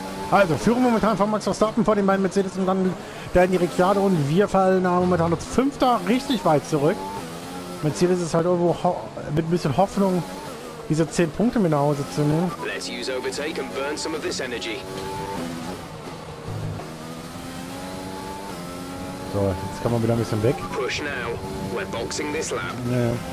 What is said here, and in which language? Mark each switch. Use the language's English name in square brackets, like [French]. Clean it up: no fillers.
[German] Also, führen momentan von Max Verstappen vor den beiden Mercedes und dann da in die Ricciardo und wir fallen da momentan als Fünfter richtig weit zurück. Mein Ziel ist es halt irgendwo mit ein bisschen Hoffnung, diese 10 Punkte mit nach Hause zu nehmen. [English] Let's use overtake and burn some of this energy. [German] So, jetzt kann man wieder ein bisschen weg. [English] Push now. We're boxing this lap. [German] Ja.